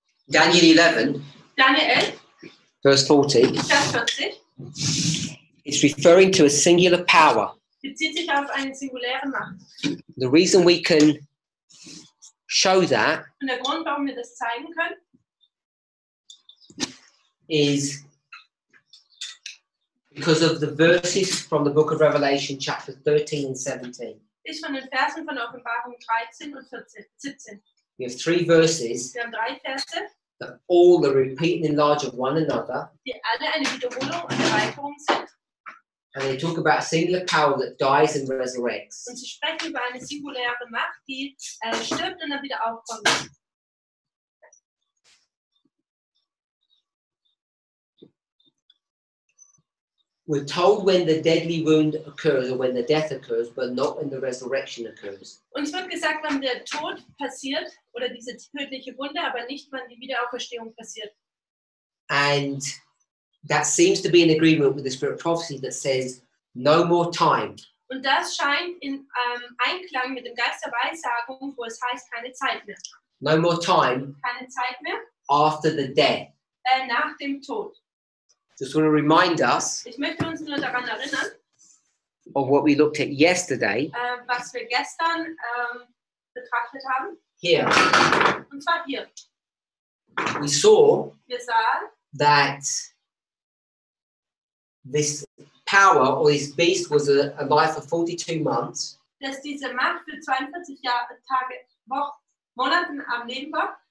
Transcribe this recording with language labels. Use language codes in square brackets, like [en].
[en] Daniel 11. [de] Daniel. [en] Verse 40. [de] Vers 40. [en] It's referring to a singular power. [de] Bezieht sich auf eine singuläre Macht. [en] The reason we can show that. [de] Und der Grund, warum wir das zeigen können, [en] is because of the verses from the book of Revelation, chapter 13 and 17. [de] Ist von den Versen von Offenbarung 13 und 14, 17. [en] We have three verses. [de] Wir haben drei Verse. [en] That all are repeating in large of one another. [de] Die alle eine Wiederholung und Erweiterung sind. [en] And they talk about a singular power that dies and resurrects. [de] Und sie sprechen über eine singuläre Macht, die stirbt und dann wieder aufkommt. [en] We're told when the deadly wound occurs or when the death occurs, but not when the resurrection occurs. [de] Uns wird gesagt, wann der Tod passiert oder diese tödliche Wunde, aber nicht wann die Wiederauferstehung passiert. [en] And that seems to be in agreement with the spirit prophecy that says no more time. [de] Und das scheint in Einklang mit dem Geist der Weissagung, wo es heißt keine Zeit mehr. [en] No more time. [de] Keine Zeit mehr. [en] After the death. [de] Nach dem Tod. [en] Just want to remind us. [de] Ich möchte uns nur daran erinnern. [en] Of what we looked at yesterday. [de] Was wir gestern betrachtet haben. [en] Here. [de] Und zwar hier. [en] We saw. [de] Wir sahen. [en] That this power or this beast was a life of 42 months. [de] Dass diese Macht für 42 Jahre, Tage, Monaten am Leben war.